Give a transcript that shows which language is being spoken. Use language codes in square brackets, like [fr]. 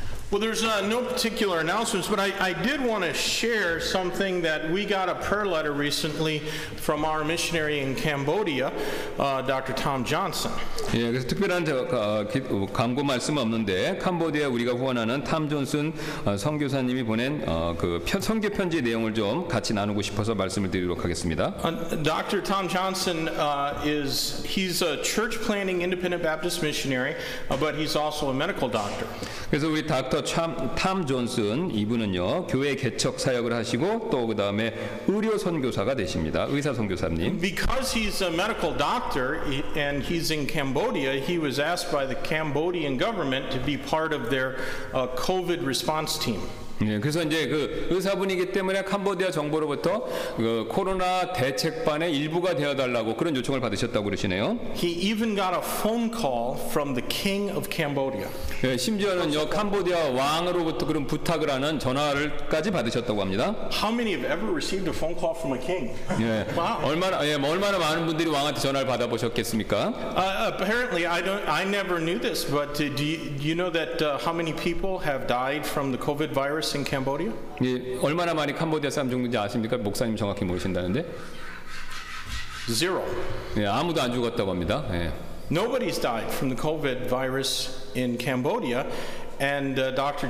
[en] Well, there's no particular announcements, but I did want to share something that we got a prayer letter recently from our missionary in Cambodia, Dr. Tom Johnson. [ko] Yeah, 그래서 특별한 광고 말씀 없는데 캄보디아 우리가 후원하는 탐 존슨 선교사님이 보낸 그 선교 편지 내용을 좀 같이 나누고 싶어서 말씀을 드리도록 하겠습니다. [en] Dr. Tom Johnson he's a church planting independent Baptist missionary, but he's also a medical doctor. [ko] 그래서 우리 닥터 탐 존슨 이분은요 교회 개척 사역을 하시고 또 그 다음에 의료 선교사가 되십니다. 의사 선교사님. [en] Because he's a medical doctor and he's in Cambodia, he was asked by the Cambodian government to be part of their COVID response team. [ko] 예, 그래서 이제 그 의사분이기 때문에 캄보디아 정부로부터 그 코로나 대책반의 일부가 되어달라고 그런 요청을 받으셨다고 그러시네요. [en] He even got a phone call from the king of Cambodia. [ko] 예, 심지어는요 캄보디아 왕으로부터 그런 부탁을 하는 전화를까지 받으셨다고 합니다. [en] How many have ever received a phone call from a king? [ko] 예, 얼마나 많은 분들이 왕한테 전화를 받아보셨겠습니까? [en] Apparently, I never knew this, but do you know that how many people have died from the COVID virus? In Cambodia? [ko] 예, 얼마나 많이 캄보디아 사람 죽는지 아십니까? 목사님 정확히 모르신다는데? [en] Zero. [ko] 예, 아무도 안 죽었다고 합니다. 예. [en] Nobody's died from the COVID virus in Cambodia. And Dr.